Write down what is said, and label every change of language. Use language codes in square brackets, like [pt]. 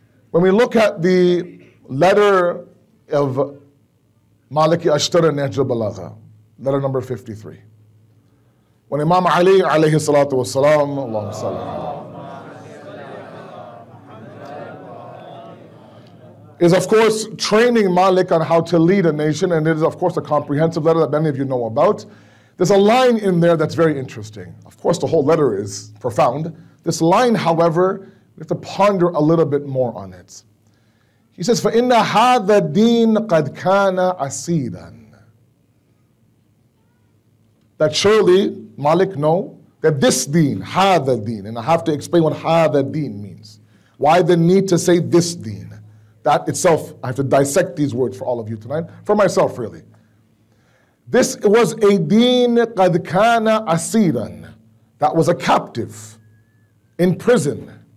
[en] When we look at the letter of Maliki Ashtar Nahj al-Balagha, letter number 53, when Imam Ali alayhi salatu wasalam, Allahumma salli ala Muhammad, is of course training Malik on how to lead a nation, and it is of course a comprehensive letter that many of you know about. There's a line in there that's very interesting. Of course, the whole letter is profound. This line, however, we have to ponder a little bit more on it. He says, [ar] فَإِنَّ هَذَا الدِّينَ قَدْ كَانَ عَسِيدًا. [en] That surely, Malik, know that this deen, [ar] هَذَا الدِّينَ, [en] and I have to explain what هَذَا الدِّينَ means. Why the need to say this deen? That itself, I have to dissect these words for all of you tonight, for myself really. This was a deen [ar] قَدْ كَانَ عَسِيدًا, [en] that was a captive in prison.